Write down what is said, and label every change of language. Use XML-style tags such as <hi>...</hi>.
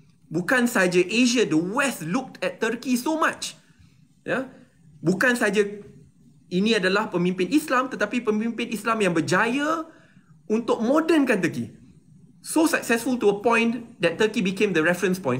<ms>Bukan saja</ms> <en>Asia, the West looked at Turkey so much. Ya. Yeah?</en> <ms>Bukan saja ini adalah pemimpin Islam, tetapi pemimpin Islam yang berjaya untuk modernkan Turkey.</ms> <en>So successful to a point that Turkey became the reference point.</en>